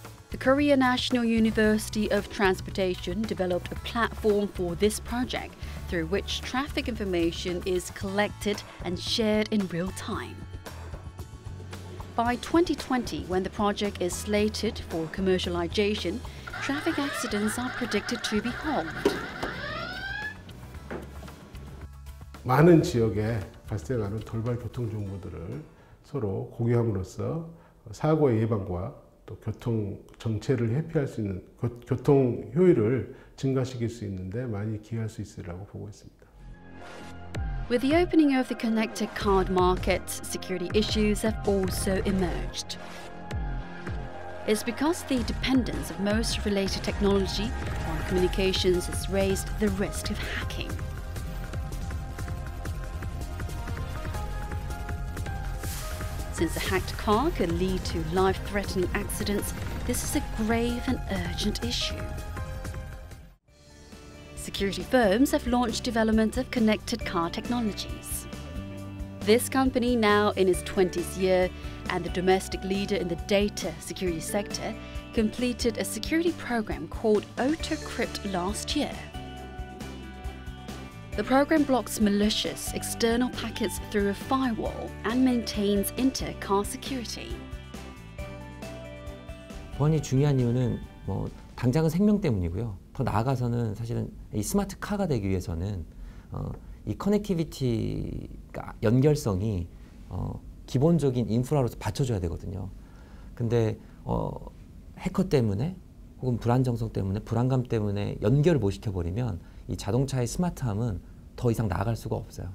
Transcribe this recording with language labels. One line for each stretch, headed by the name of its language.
English: The Korea National University of Transportation developed a platform for this project through which traffic information is collected and shared in real time. By 2020, when the project is slated for commercialization, traffic accidents are predicted to be halved.
Korean: 많은 지역에 발생하는 돌발 교통 정보들을 서로 공유함으로써 사고의 예방과 또 교통 정체를 회피할 수 있는 교통 효율을 증가시킬 수 있는데 많이 기여할 수 있으리라고 보고 있습니다.
English: With the opening of the connected car market, security issues have also emerged. It's because the dependence of most related technology on communications has raised the risk of hacking. Since a hacked car could lead to life-threatening accidents, this is a grave and urgent issue. Security firms have launched development of connected car technologies. This company, now in its 20th year, and the domestic leader in the data security sector, completed a security program called AutoCrypt last year. The program blocks malicious external packets through a firewall and maintains inter-car security.
Korean: 보안이 중요한 이유는 뭐 당장은 생명 때문이고요. 더 나아가서는 사실은 이 스마트 카가 되기 위해서는 이 커넥티비티 연결성이 기본적인 인프라로서 받쳐줘야 되거든요. 근데 해커 때문에 혹은 불안정성 때문에 불안감 때문에 연결을 못 시켜버리면 이 자동차의 스마트함은 더 이상 나아갈 수가 없어요.